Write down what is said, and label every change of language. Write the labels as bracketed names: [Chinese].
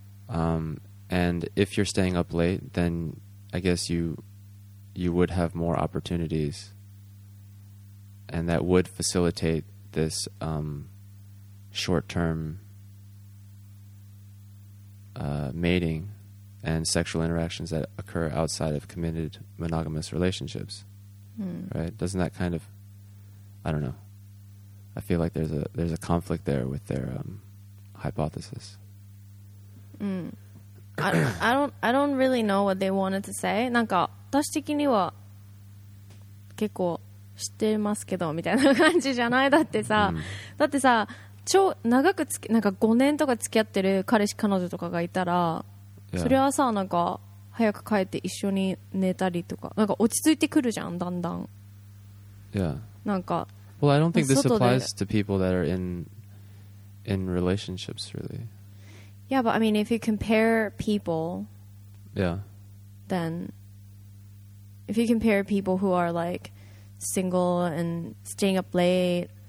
[English] And if you're staying up late, then I guess you would have more opportunities, and that would facilitate this short-term mating and sexual interactions that occur outside of committed monogamous relationships. Right? Doesn't that kind of, I don't know. I feel like there's a conflict there with their hypothesis. I don't really know what they wanted to say. [Japanese] なんか私的には結構知ってますけどみたいな感じじゃない？だってさ超長くなんか5年とか付き合ってる彼氏彼女とかがいたら、yeah. それはさなんか早く帰って一緒に寝たりとかなんか落ち着いてくるじゃんだんだん。 [English] Yeah. [Japanese] なんか。 [English] Well, I don't think this applies to people that are in relationships really. Yeah, but I mean, if you compare people, yeah, then if you compare people who are like single and staying up late.